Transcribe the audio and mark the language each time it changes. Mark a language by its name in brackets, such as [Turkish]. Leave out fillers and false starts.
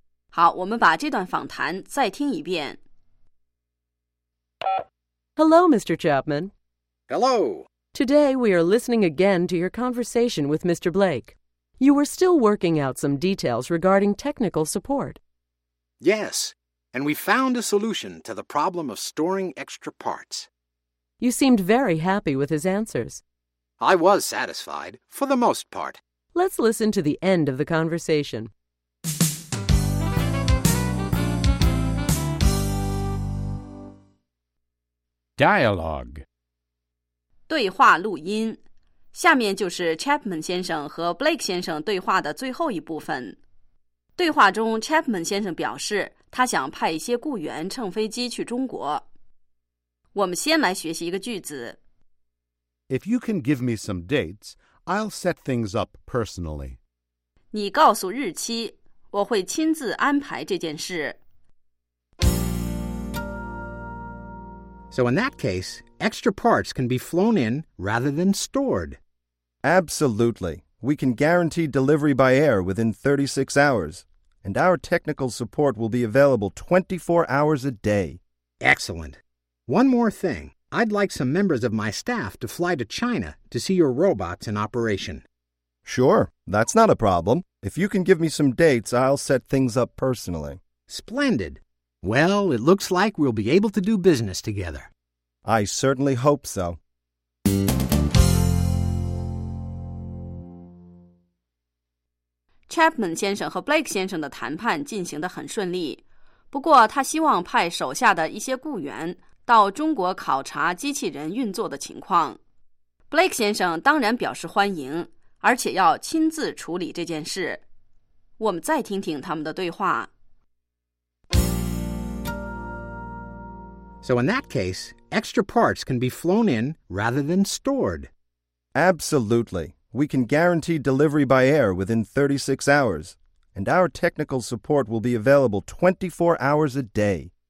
[Chinese] 好，我们把这段访谈再听一遍。 [English] Hello, Mr. Chapman. Hello. Today we are listening again to your conversation with Mr. Blake. You were still working out some details regarding technical support. Yes, and we found a solution to the problem of storing extra parts. You seemed very happy with his answers. I was satisfied, for the most part. Let's listen to the end of the conversation. Dialogue. [Chinese] 对话录音。下面就是 Chapman 先生和 Blake 先生对话的最后一部分。对话中 Chapman 先生表示他想派一些雇员乘飞机去中国。我们先来学习一个句子。 [English] If you can give me some dates, I'll set things up personally. [Chinese] 你告诉日期，我会亲自安排这件事。 [English] So in that case, extra parts can be flown in rather than stored. Absolutely. We can guarantee delivery by air within 36 hours. And our technical support will be available 24 hours a day. Excellent. One more thing. I'd like some members of my staff to fly to China to see your robots in operation. Sure, that's not a problem. If you can give me some dates, I'll set things up personally. Splendid. Well, it looks like we'll be able to do business together. I certainly hope so. [Chinese] Chapman 先生和 Blake 先生的谈判进行得很顺利，不过他希望派手下的一些雇员到中国考察机器人运作的情况。 Blake 先生当然表示欢迎，而且要亲自处理这件事。我们再听听他们的对话。 [English] So in that case, extra parts can be flown in rather than stored. Absolutely. We can guarantee delivery by air within 36 hours. And our technical support will be available 24 hours a day.